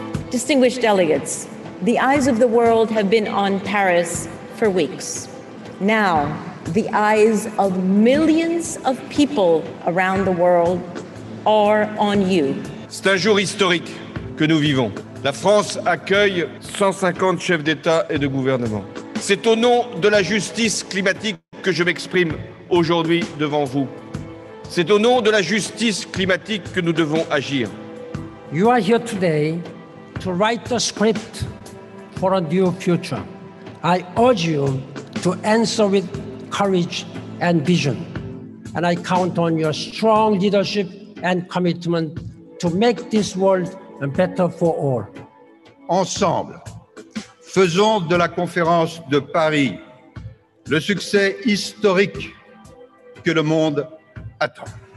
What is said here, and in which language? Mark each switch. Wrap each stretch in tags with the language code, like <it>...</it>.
<en>Distinguished delegates, the eyes of the world have been on Paris for weeks. Now, the eyes of millions of people around the world are on you.</en> <fr>C'est un jour historique que nous vivons. La France accueille 150 chefs d'État et de gouvernement. C'est au nom de la justice climatique que je m'exprime aujourd'hui devant vous. C'est au nom de la justice climatique que nous devons agir.</fr> <en>You are here today to write the script for a new future. I urge you to answer with courage and vision. And I count on your strong leadership and commitment to make this world better for all.</en> <fr>Ensemble, faisons de la conférence de Paris le succès historique que le monde attend.</fr>